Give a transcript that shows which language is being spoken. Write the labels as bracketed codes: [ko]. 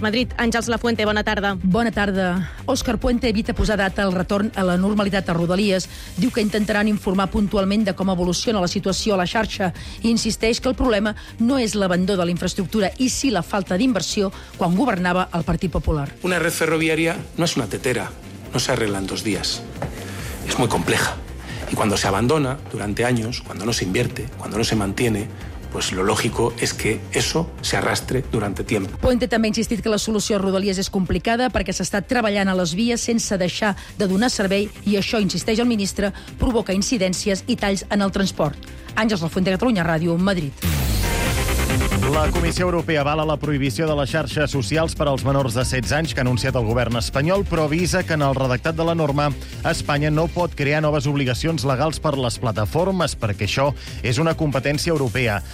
[ca] Madrid, Àngels Lafuente, bona tarda. Bona tarda. Òscar Puente evita posar data al retorn a la normalitat a Rodalies. Diu que intentaran informar puntualment de com evoluciona la situació a la xarxa i insisteix que el problema no és l'abandó de la infraestructura i sí la falta d'inversió quan governava el Partit Popular. [es] Una red ferroviària no es una tetera, no se arregla en dos días. Es muy compleja. Y cuando se abandona durante años, cuando no se invierte, cuando no se mantiene, pues lo lógico es que eso se arrastre durante tiempo. [ca] Puente també ha insistit que la solució a Rodalies és complicada perquè s'està treballant a les vies sense deixar de donar servei i això, insisteix el ministre, provoca incidències i talls en el transport. Àngels Lafuente, Catalunya Ràdio, Madrid. La Comissió Europea avala la prohibició de les xarxes socials per als menors de 16 anys que ha anunciat el govern espanyol, però avisa que en el redactat de la norma Espanya no pot crear noves obligacions legals per les plataformes, perquè això és una competència europea.